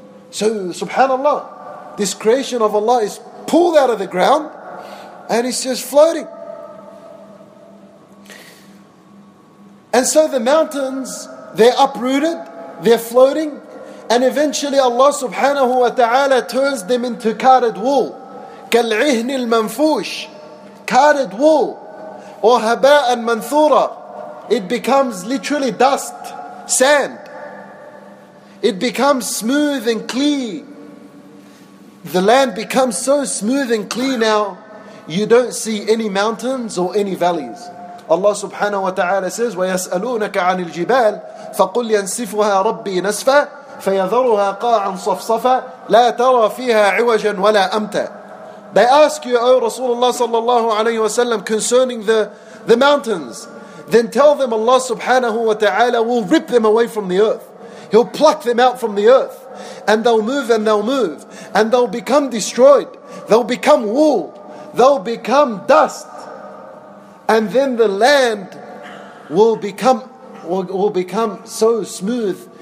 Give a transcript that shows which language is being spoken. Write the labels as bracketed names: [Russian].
[English] So subhanAllah, this creation of Allah is pulled out of the ground and it's just floating. And so the mountains, they're uprooted, they're floating, and eventually Allah subhanahu wa ta'ala turns them into carded wool. [Arabic] كالعهن المنفوش. [English] Carded wool. [Arabic] Or هباء منثورة. [English] It becomes literally dust, sand. It becomes smooth and clean. The land becomes so smooth and clean now, you don't see any mountains or any valleys. Allah subhanahu wa ta'ala says, [Arabic] وَيَسْأَلُونَكَ عَنِ الْجِبَالِ فَقُلْ يَنْسِفُهَا رَبِّي نَسْفًا فَيَذَرُهَا قَاعًا صَفْصَفًا لَا تَرَى فِيهَا عِوَجًا وَلَا أَمْتًا. [English] They ask you, O Rasulullah sallallahu alayhi wa sallam, concerning the mountains, then tell them Allah subhanahu wa ta'ala will rip them away from the earth. He'll pluck them out from the earth, and they'll move, and they'll become destroyed, they'll become wool, they'll become dust, and then the land will become so smooth.